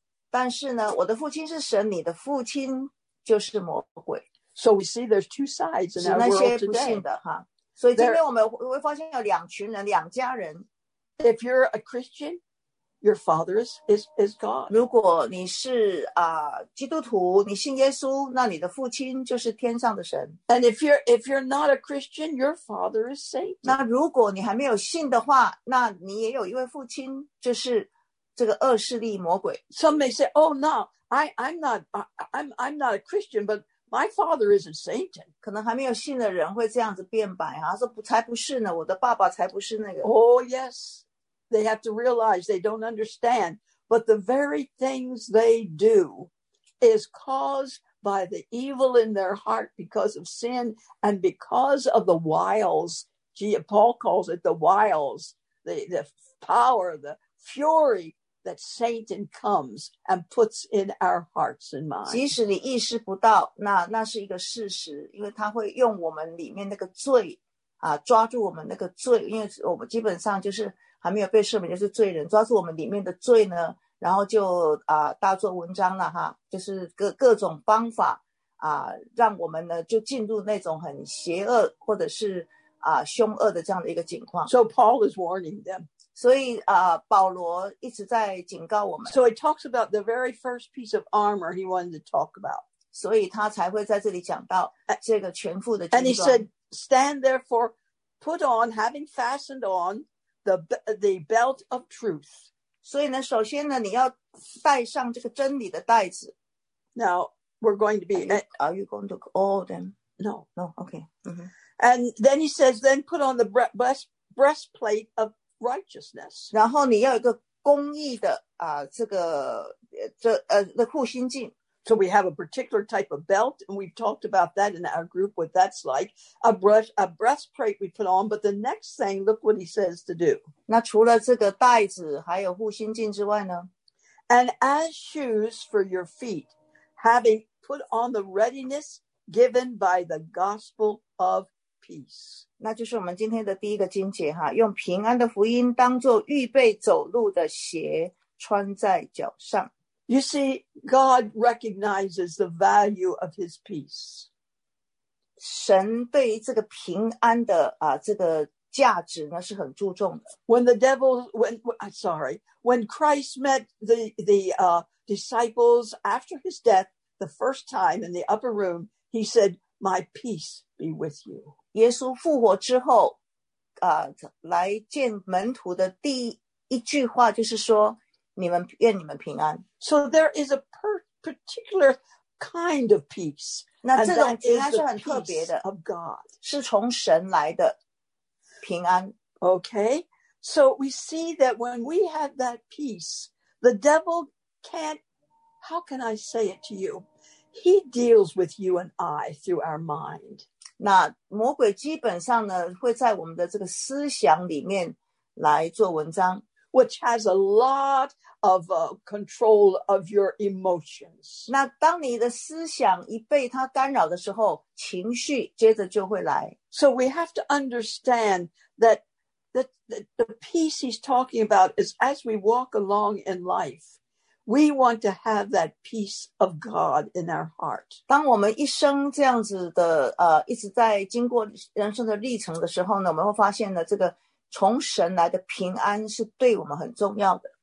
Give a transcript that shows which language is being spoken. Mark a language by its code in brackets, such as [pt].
[zh] 但是呢我的父亲是神，你的父亲就是魔鬼。 [en] So we see there's two sides in our world today. [zh] 是那些不信的哈。所以今天我们会发现有两群人，两家人。 [en] If you're a Christian, your father is God. [zh] 如果你是基督徒，你信耶稣，那你的父亲就是天上的神。 [en] And if you're not a Christian, your father is Satan. [zh] 那如果你还没有信的话，那你也有一位父亲，就是这个恶势力魔鬼。 [en] Some may say, "Oh no, I'm not a Christian, but." My father isn't Satan. [zh] 可能还没有信的人会这样子辩白啊，说不才不是呢，我的爸爸才不是那个。 [en] Oh yes, they have to realize they don't understand. But the very things they do is caused by the evil in their heart because of sin and because of the wiles. Paul calls it the wiles, the power, the fury. That Satan comes and puts in our hearts and minds. [zh] 即使你意识不到，那是一个事实，因为他会用我们里面那个罪啊，抓住我们那个罪，因为我们基本上就是还没有被赦免，就是罪人，抓住我们里面的罪呢，然后就大做文章了哈，就是各种方法啊，让我们呢就进入那种很邪恶或者是凶恶的这样的一个情况。 [en] So Paul is warning them. [zh] 所以保罗一直在警告我们。 [en] So he talks about the very first piece of armor he wanted to talk about. [zh] 所以他才会在这里讲到这个全副的军装。 [en] And he said, stand therefore, put on, having fastened on, the belt of truth. [zh] 所以呢首先呢你要戴上这个真理的带子。 [en] Now, we're going to be... Are you going to call them? No, okay.、 Mm-hmm. And then he says, then put on the breastplate of... righteousness. [zh] 然后你要一个公义的这个的护心镜。 [en] So we have a particular type of belt, and we've talked about that in our group, what that's like. A breastplate we put on, but the next thing, look what he says to do. [zh] 那除了这个带子还有护心镜之外呢? [en] And as shoes for your feet, having put on the readiness given by the gospel of Peace. [zh] 那就是我们今天的第一个经节哈，用平安的福音当作预备走路的鞋穿在脚上。 [en] You see, God recognizes the value of his peace. [zh] 神对于这个平安的啊，这个价值呢是很注重的。 [en] When Christ met the disciples after his death the first time in the upper room, he said, "My peace be with you." [zh] 耶稣复活之后，啊，来见门徒的第一句话就是说，你们愿你们平安。 [en] So there is a particular kind of peace. [zh] 那这种平安是很特别的 [en] ，of God [zh] 是从神来的。平安 [en] okay, so we see that when we have that peace, the devil can't, how can I say it to you? He deals with you and I through our mind. [zh] 那魔鬼基本上呢，会在我们的这个思想里面来做文章。 [en] Which has a lot of control of your emotions. [zh] 那当你的思想一被它干扰的时候，情绪接着就会来。 [en] So we have to understand that the peace he's talking about is as we walk along in life, we want to have that peace of God in our heart. [zh] 当我们一生这样子的一直在经过人生的历程的时候呢，我们会发现呢，这个从神来的平安是对我们很重要的。